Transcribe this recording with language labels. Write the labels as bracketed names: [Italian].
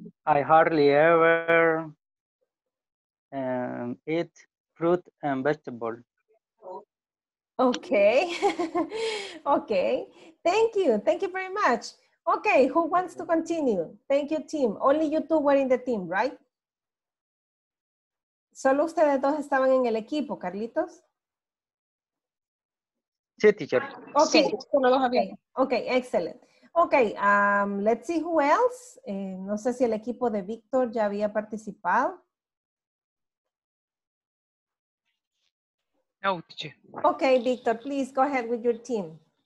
[English] I hardly ever eat fruit and vegetable. Okay. Okay. Thank you. Thank you very much. Okay, who wants to continue? Thank you, team. Only you two were in the team, right? [Spanish] Solo ustedes dos estaban en el equipo, Carlitos. Sí, teacher. [English] Okay, okay, excellent. Okay, let's see who else. [Spanish] No sé si el equipo de Víctor ya había participado. No, teacher. [English] Okay, Víctor, please go ahead with your team.